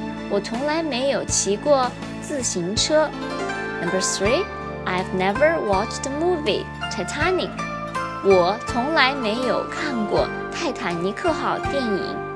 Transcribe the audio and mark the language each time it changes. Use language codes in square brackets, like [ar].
[zh] 我从来没有骑过自行车。 [en] Number three, I have never watched the movie Titanic. [zh] 我从来没有看过泰坦尼克号电影。